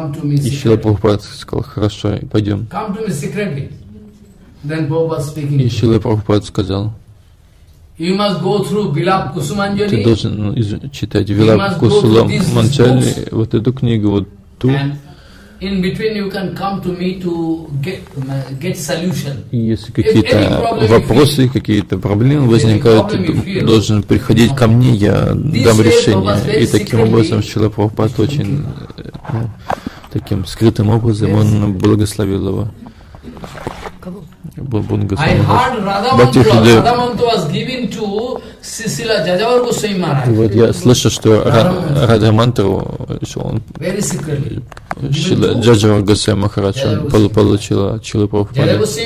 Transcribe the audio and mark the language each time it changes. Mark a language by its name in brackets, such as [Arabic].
[Russian] И Шрила Прабхупада сказал, хорошо, пойдем. И Шрила Прабхупада сказал, ты должен читать Вилап Кусула Манджали, вот эту книгу, вот ту, [English] In between you can come to me to get solution. [Russian] Если какие-то вопросы, какие-то проблемы возникают, должен приходить ко мне, я дам решение. И таким образом Шрила Прабхупада очень таким скрытым образом он благословил его. Вот я слышал, что Радха мантру, что он Джаджавар Госвами Махарадж получил от Шрилы Прабхупады.